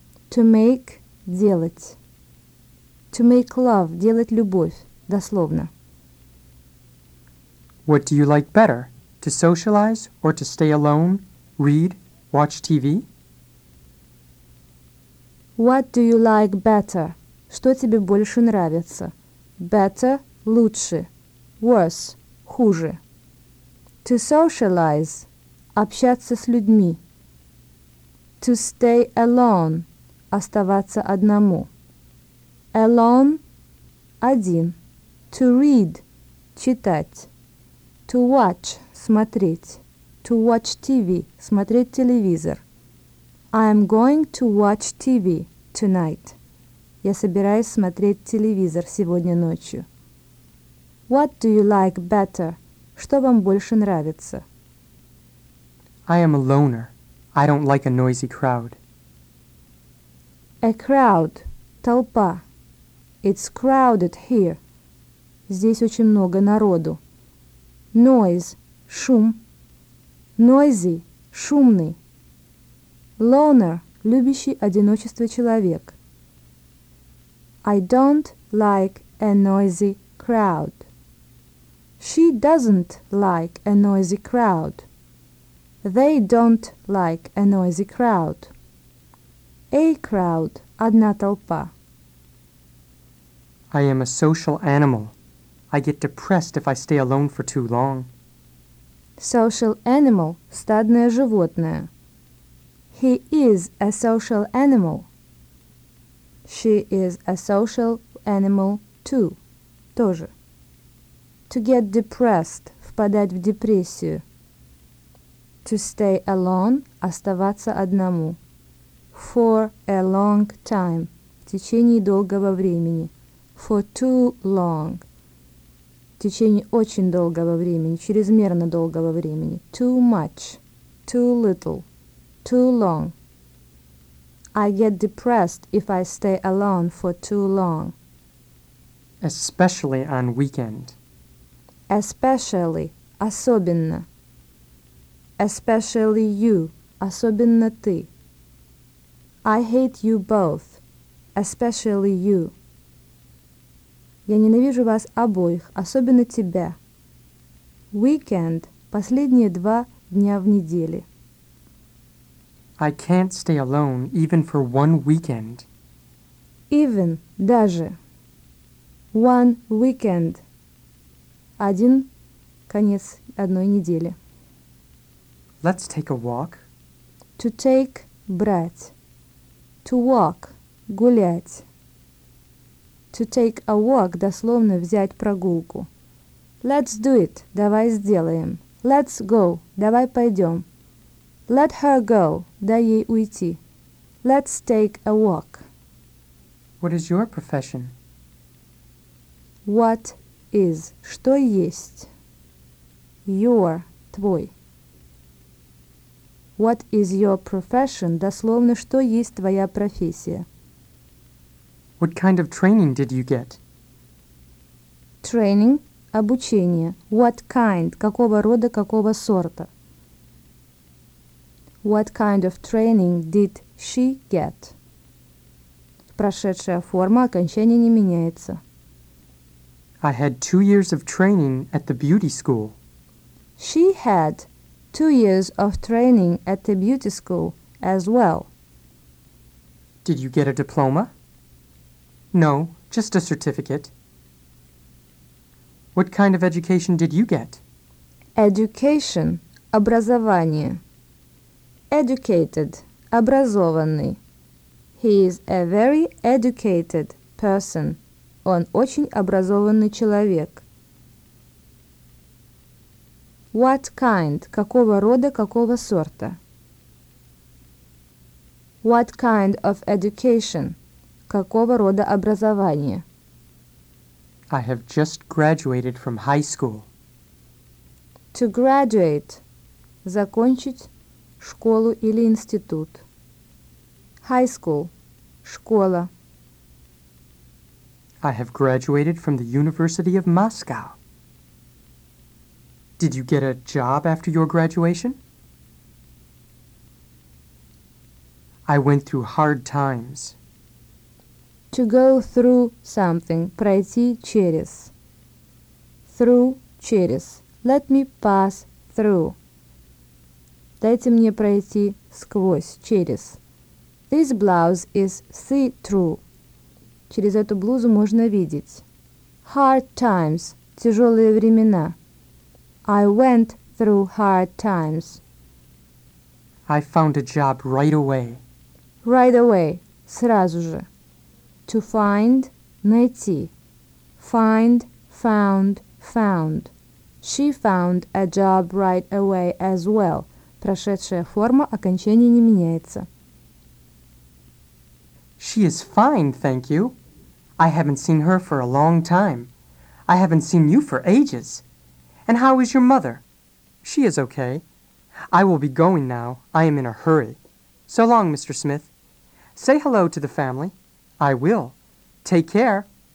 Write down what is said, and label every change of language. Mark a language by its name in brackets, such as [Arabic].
[English] To make, [Russian] делать. [English] To make love, [Russian] делать любовь, дословно. [English] What do you like better, to socialize or to stay alone, read, watch TV? What do you like better? [Russian] Что тебе больше нравится? [English] Better – [Russian] лучше. [English] Worse – [Russian] хуже. [English] To socialize [Russian] – общаться с людьми. [English] To stay alone – [Russian] оставаться одному. [English] Alone – [Russian] один. [English] To read – [Russian] читать. [English] To watch – [Russian] смотреть. [English] To watch TV – [Russian] смотреть телевизор. [English] I am going to watch TV tonight. [Russian] Я собираюсь смотреть телевизор сегодня ночью. [English] What do you like better? [Russian] Что вам больше нравится? [English] I am a loner. I don't like a noisy crowd. A crowd. [Russian] Толпа. [English] It's crowded here. [Russian] Здесь очень много народу. [English] Noise. [Russian] Шум. [English] Noisy. [Russian] Шумный. [English] Loner. [Russian] Любящий одиночество человек. [English] I don't like a noisy crowd. She doesn't like a noisy crowd. They don't like a noisy crowd. A crowd – [Russian] одна толпа. [English] I am a social animal. I get depressed if I stay alone for too long. Social animal – [Russian] стадное животное. [English] He is a social animal. She is a social animal too. [Russian] Тоже. [English] To get depressed, [Russian] впадать в депрессию. [English] To stay alone, [Russian] оставаться одному. [English] For a long time, [Russian] в течение долгого времени. [English] For too long, [Russian] в течение очень долгого времени, чрезмерно долгого времени. [English] Too much, too little, too long. I get depressed if I stay alone for too long. Especially on weekend. Especially, [Russian] особенно. [English] Especially you, [Russian] особенно ты. [English] I hate you both, especially you. [Russian] Я ненавижу вас обоих, особенно тебя. Weekend, последние два дня в неделе. [English] I can't stay alone even for one weekend. Even, [Russian] даже. [English] One weekend. [Russian] Один конец одной недели. [English] Let's take a walk. To take, [Russian] брать. [English] To walk, [Russian] гулять. [English] To take a walk, [Russian] дословно взять прогулку. [English] Let's do it, [Russian] давай сделаем. [English] Let's go, [Russian] давай пойдем. [English] Let her go, [Russian] дай ей уйти. [English] Let's take a walk. What is your profession? What is, [Russian] что есть? [English] Your, [Russian] твой. [English] What is your profession, [Russian] дословно, что есть твоя профессия? [English] What kind of training did you get? Training, [Russian] обучение. [English] What kind, [Russian] какого рода, какого сорта? [English] What kind of training did she get? [Russian] Прошедшая форма, окончание не меняется. [English] I had 2 years of training at the beauty school. She had 2 years of training at the beauty school as well. Did you get a diploma? No, just a certificate. What kind of education did you get? Education, [Russian] образование. [English] Educated, [Russian] образованный. [English] He is a very educated person. [Russian] Он очень образованный человек. [English] What kind, [Russian] какого рода, какого сорта? [English] What kind of education, [Russian] какого рода образование? [English] I have just graduated from high school. To graduate, [Russian] закончить школу или институт. [English] High school, [Russian] школа. [English] I have graduated from the University of Moscow. Did you get a job after your graduation? I went through hard times. To go through something, [Russian] пройти через. [English] Through, [Russian] через. [English] Let me pass through. [Russian] Дайте мне пройти сквозь, через. [English] This blouse is see-through. [Russian] Через эту блузу можно видеть. [English] Hard times, [Russian] тяжелые времена. [English] I went through hard times. I found a job right away. Right away, [Russian] сразу же. [English] To find, [Russian] найти. [English] Find, found, found. She found a job right away as well. [Russian] Прошедшая форма, окончание не меняется. [English] She is fine, thank you. I haven't seen her for a long time. I haven't seen you for ages. And how is your mother? She is okay. I will be going now. I am in a hurry. So long, Mr. Smith. Say hello to the family. I will. Take care.